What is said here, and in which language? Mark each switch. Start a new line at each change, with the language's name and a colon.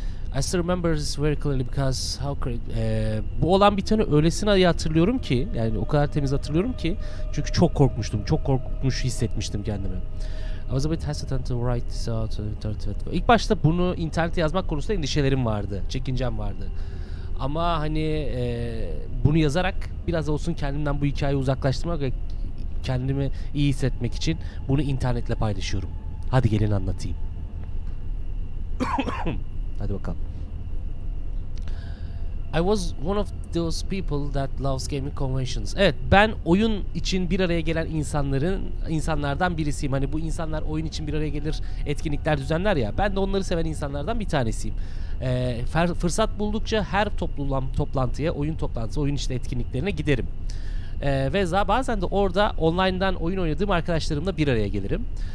English: I still remember this very clearly because how great...
Turkish: bu olan biteni öylesine iyi hatırlıyorum ki, yani o kadar temiz hatırlıyorum ki, çünkü çok korkmuştum, çok korkmuş hissetmiştim kendimi.
English: I was a bit hesitant to write this out on the internet.
Turkish: İlk başta bunu internete yazmak konusunda endişelerim vardı, çekincem vardı. Ama hani bunu yazarak biraz olsun kendimden bu hikayeyi uzaklaştırmak ve kendimi iyi hissetmek için bunu internetle paylaşıyorum. Hadi gelin anlatayım. Hadi bakalım.
English: I was one of those people that loves gaming conventions.
Turkish: Evet, ben oyun için bir araya gelen insanlardan birisiyim. Hani bu insanlar oyun için bir araya gelir, etkinlikler düzenler ya. Ben de onları seven insanlardan bir tanesiyim. Fırsat buldukça her toplantıya, oyun toplantısı, oyun içi etkinliklerine giderim. Ve bazen de orada online'dan oyun oynadığım arkadaşlarımla bir araya gelirim.